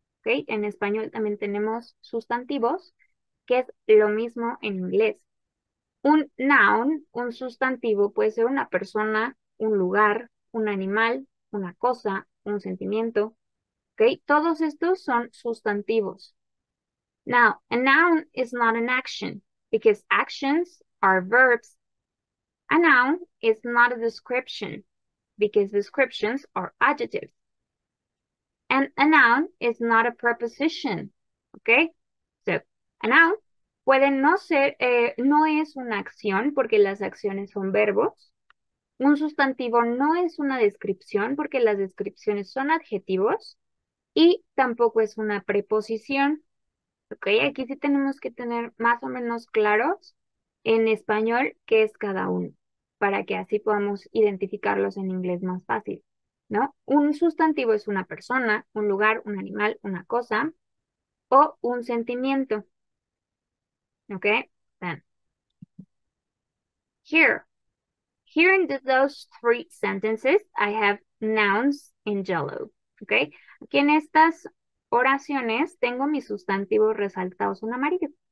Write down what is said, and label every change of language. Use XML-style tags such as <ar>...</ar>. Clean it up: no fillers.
<es>Okay, en español también tenemos sustantivos, que es lo mismo en inglés. Un noun, un sustantivo, puede ser una persona, un lugar, un animal, una cosa, un sentimiento. ¿Okay? Todos estos son sustantivos.</es> <en>Now, a noun is not an action because actions are verbs. A noun is not a description because descriptions are adjectives. And a noun is not a preposition. ¿Okay? So, a noun</en> <es>puede no ser, no es una acción porque las acciones son verbos. Un sustantivo no es una descripción porque las descripciones son adjetivos. Y tampoco es una preposición. Ok, aquí sí tenemos que tener más o menos claros en español qué es cada uno para que así podamos identificarlos en inglés más fácil, ¿no? Un sustantivo es una persona, un lugar, un animal, una cosa o un sentimiento.</es> <en>Okay, then. Here in those three sentences, I have nouns in yellow.</en> <es>Okay, aquí en estas oraciones tengo mis sustantivos resaltados en amarillo.</es>